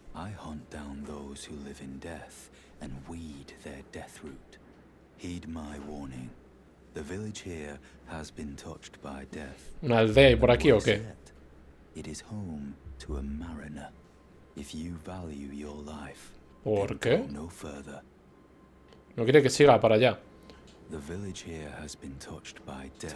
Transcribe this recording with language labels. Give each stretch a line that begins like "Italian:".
English: I hunt down those who live in death and weed their death root. Heed my warning. The village here has been touched by death.
Spanish: ¿Una aldea hay por aquí o qué?
English: It is home to a mariner. If you value your life,
Spanish: ¿por qué?
English: No further.
Spanish: No quiere que siga para allá.
English: The village here has been touched by death.